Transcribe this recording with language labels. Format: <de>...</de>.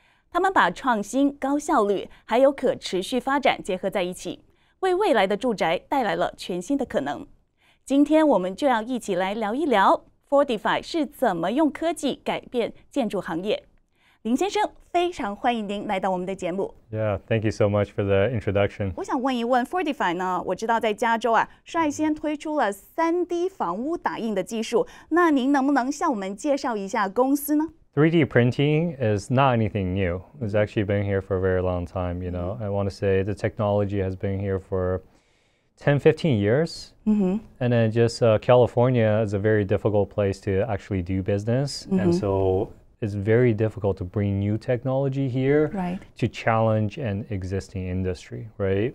<zh>他们把创新、高效率还有可持续发展结合在一起，为未来的住宅带来了全新的可能。今天我们就要一起来聊一聊 Fortify 是怎么用科技改变建筑行业。林先生，非常欢迎您来到我们的节目。</zh> <en>Yeah, thank you so much for the introduction.</en> <zh>我想问一问 Fortify 呢，我知道在加州啊，率先推出了 3D 房屋打印的技术，那您能不能向我们介绍一下公司呢？</zh> <en>3D printing is not anything new. It's actually been here for a very long time. You know, I want to say the technology has been here for 10, 15 years. Mm-hmm. And then just California is a very difficult place to actually do business. Mm-hmm. And so it's very difficult to bring new technology here to challenge an existing industry, right?</en>